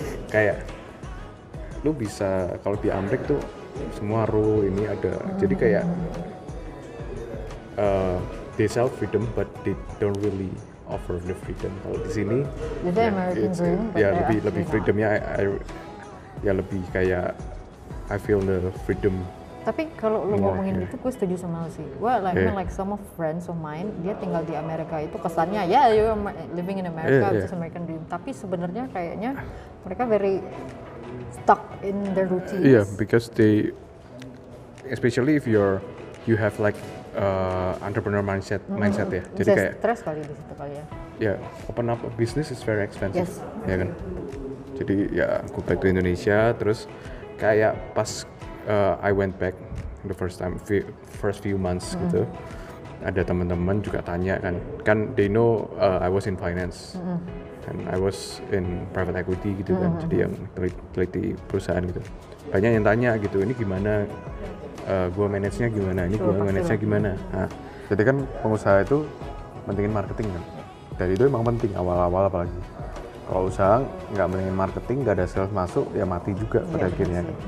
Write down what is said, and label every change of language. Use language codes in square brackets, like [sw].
[id] Kayak lu bisa kalau di Amrik tuh semua rule ini ada. Jadi kayak [en] they sell freedom but they don't really offer the freedom. [id] Kalau di sini lebih freedomnya ya lebih kayak [en] I feel the freedom. [id] Tapi kalau lu ngomongin itu, gue setuju sama lu sih. [en] Well, like, yeah. Like some of friends of mine, [id] dia tinggal di Amerika itu kesannya, [en] yeah, you living in America, it's American dream. [id] Tapi sebenarnya kayaknya mereka [en] very stuck in their routines. Yeah, because they, especially if you have like entrepreneur mindset, mindset ya. [id] Jadi kayak stress kali di situ kali ya. [en] Yeah, open up a business is very expensive. Yes. Ya yeah, kan. [id] Jadi ya, [en] go back to Indonesia, [id] terus kayak pas [en] I went back the first time, first few months gitu. [id] Ada teman-teman juga tanya kan [en] they know I was in finance and I was in private equity [id] gitu kan. Jadi yang teliti perusahaan gitu. Banyak yang tanya gitu, ini gimana gua manage-nya gimana? Ini gua manage-nya gimana? Nah, jadi kan pengusaha itu pentingin marketing kan. Dari itu emang penting awal-awal apalagi. Kalau usaha enggak mendingin marketing, enggak ada sales masuk, ya mati juga pada akhirnya.